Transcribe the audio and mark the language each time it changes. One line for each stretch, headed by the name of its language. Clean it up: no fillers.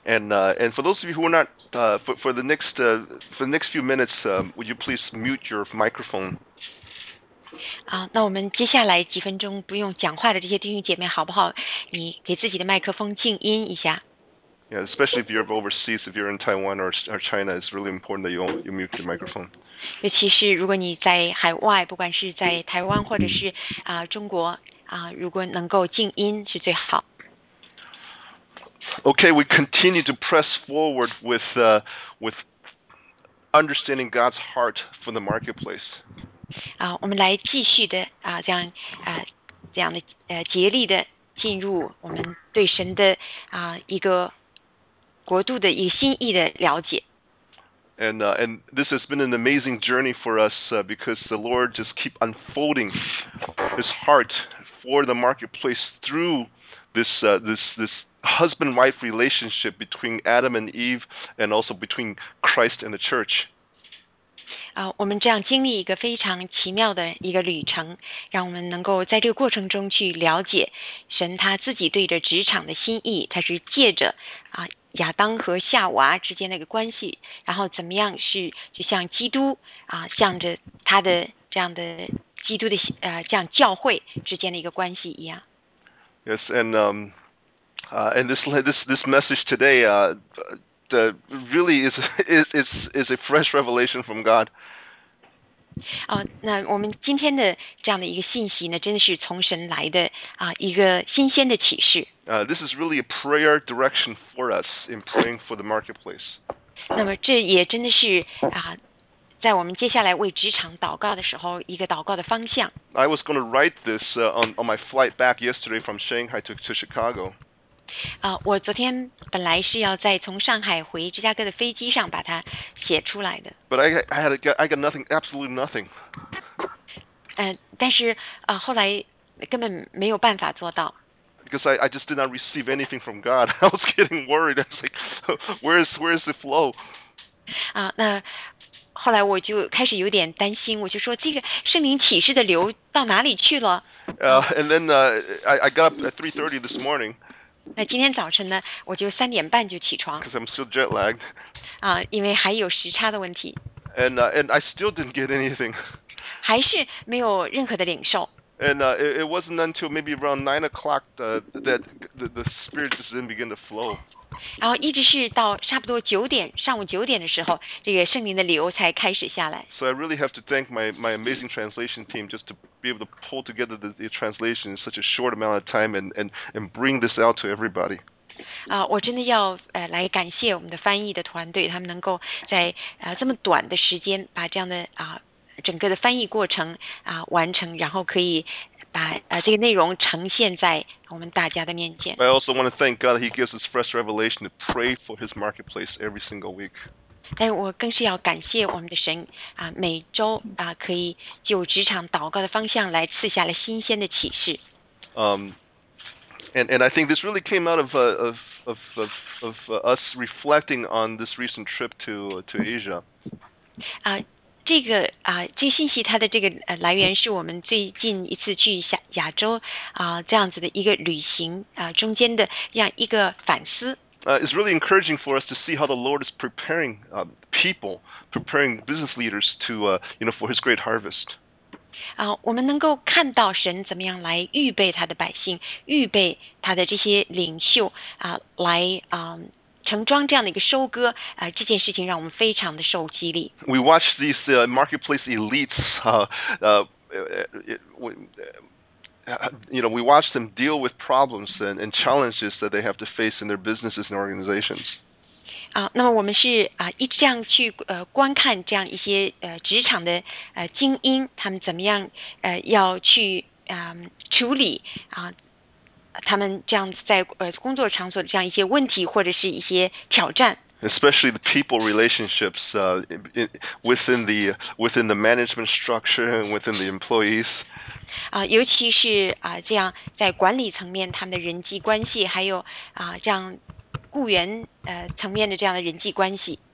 English: And for those of you who are not for the next few minutes, would you please mute your microphone?
Chinese: 啊，那我们接下来几分钟不用讲话的这些弟兄姐妹，好不好？你给自己的麦克风静音一下。
English: Yeah, especially if you're overseas, if you're in Taiwan or China, it's really important that you mute your microphone.
Chinese: 尤其是如果你在海外，不管是在台湾或者是啊、中国啊、如果能够静音是最好。
English: Okay, we continue to press forward with understanding God's heart for the marketplace.
Chinese: 啊、我们来继续的啊、这样啊、这样的竭力的进入我们对神的啊、一个。国度的一个心意的了解。
English: And this has been an amazing journey for us, because the Lord just keep unfolding His heart for the marketplace through this, this husband-wife relationship between Adam and Eve, and also between Christ and the church.
Chinese: 啊、我们这样经历一个非常奇妙的一个旅程，让我们能够在这个过程中去了解神他自己对着职场的心意，他是借着啊。亚当和夏娃之间的一个关系，然后怎么样是就像基督啊，向着他的这样的基督的这样教会之间的一个关系一样。
English: Yes, and this message today really is a fresh revelation from God.
Chinese: 哦，那我们今天的这样的一个信息呢，真的是从神来的啊，一个新鲜的启示。
English: This is really a prayer direction for us in praying for the marketplace.
Chinese: 那么这也真的是啊，在我们接下来为职场祷告的时候，一个祷告的方向。
English: I was going to write this on my flight back yesterday from Shanghai to Chicago.
Chinese: 啊，我昨天本来是要在从上海回芝加哥的飞机上把它写出来的。
English: But I got nothing, absolutely nothing.
Chinese: 但是啊，后来根本没有办法做到。
English: Because I just did not receive anything from God. I was getting worried. I was like, where is the flow?
Chinese: 啊、那后来我就开始有点担心，我就说这个圣灵启示的流到哪里去了？
English: And then I got up at 3:30 this morning.
Chinese: 那今天早晨呢，我就三点半就起床。
English: Because I'm still jet lagged.
Chinese: 啊、因为还有时差的问题。
English: And I still didn't get anything.
Chinese: 还是没有任何的领受。
English: And it wasn't until maybe around 9 o'clock that the spirit just didn't begin to flow.
Chinese: 然后一直是到差不多九点，上午九点的时候，这个圣灵的流才开始下来。
English: So I really have to thank my amazing translation team just to be able to pull together the translation in such a short amount of time and bring this out to everybody.
Chinese: 啊、我真的要来感谢我们的翻译的团队，他们能够在这么短的时间把这样的啊。整个的翻译过程啊、完成，然后可以把这个内容呈现在我们大家的面前。
English: I also want to thank God that He gives us fresh revelation to pray for His marketplace every single week.
Chinese: 但我更是要感谢我们的神啊、每周啊、可以就职场祷告的方向来赐下了新鲜的启示。
English: And I think this really came out of us reflecting on this recent trip to Asia.
Chinese: 啊、这个啊、这个信息它的这个来源是我们最近一次去亚洲啊、这样子的一个旅行啊、中间的这样一个反思。
English: It's really encouraging for us to see how the Lord is preparing people, preparing business leaders to for His great harvest.
Chinese: 啊、我们能够看到神怎么样来预备他的百姓，预备他的这些领袖啊、来啊。成庄这样的一个收割、这件事情让我们非常的受激励。
English: We watch these marketplace elites, we watch them deal with problems and challenges that they have to face in their businesses and organizations.
Chinese: 那么我们是、一直这样去、观看这样一些、职场的、精英，他们怎么样、要去、处理、他们这样子在、工作场所的这样一些问题或者是一些挑战。
English: Especially the people relationships within the management structure and within the employees.
Chinese: 尤其是、这样在管理层面他们的人际关系，还有、这样雇员、层面的这样的人际关系。